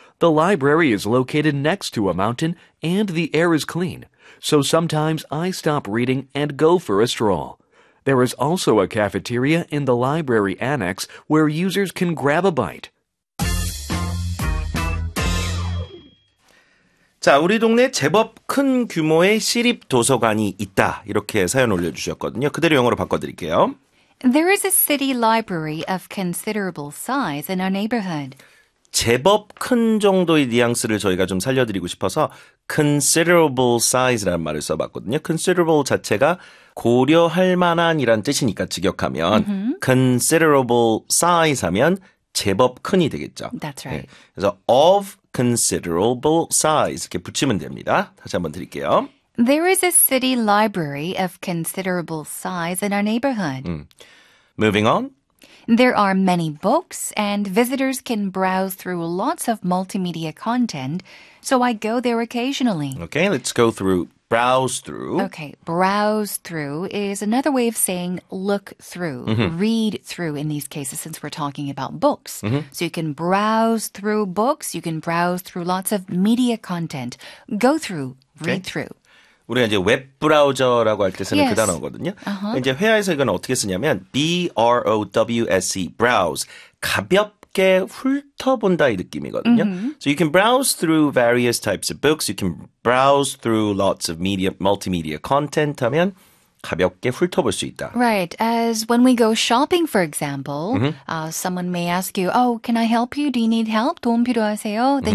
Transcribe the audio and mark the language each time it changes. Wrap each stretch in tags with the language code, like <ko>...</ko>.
<en>The library is located next to a mountain and the air is clean. So sometimes I stop reading and go for a stroll. There is also a cafeteria in the library annex where users can grab a bite.</en> <ko>자, 우리 동네 제법 큰 규모의 시립 도서관이 있다. 이렇게 사연 올려주셨거든요. 그대로 영어로 바꿔드릴게요.</ko> <en>There is a city library of considerable size in our neighborhood.</en> <ko>제법 큰 정도의 뉘앙스를 저희가 좀 살려드리고 싶어서 considerable size라는 말을 써봤거든요. considerable 자체가 고려할 만한이란 뜻이니까 직역하면 mm-hmm. considerable size 하면 제법 큰이 되겠죠.</ko> <en>That's right. 네.</en> <ko>그래서 of considerable size 이렇게 붙이면 됩니다. 다시 한번 드릴게요.</ko> <en>There is a city library of considerable size in our neighborhood. Moving on. There are many books, and visitors can browse through lots of multimedia content, so I go there occasionally. Okay, let's go through browse through. Okay, browse through is another way of saying look through, mm-hmm. read through in these cases, since we're talking about books. Mm-hmm. So you can browse through books, you can browse through lots of media content. Go through, read through.</en> <ko>우리가 이제 웹 브라우저라고 할 때 쓰는</ko> <en>yes.</en> <ko>그 단어거든요. Uh-huh. 이제 회화에서 이건 어떻게 쓰냐면 B-R-O-W-S-E, browse. 가볍게 훑어본다 이 느낌이거든요. Mm-hmm.</ko> <en>So you can browse through various types of books. You can browse through lots of media, multimedia content</en> <ko>하면 가볍게 훑어볼 수 있다.</ko> <en>Right. As when we go shopping, for example, mm-hmm. Someone may ask you, oh, can I help you? Do you need help?</en> <ko>도움 필요하세요?</ko> <en>Then</en>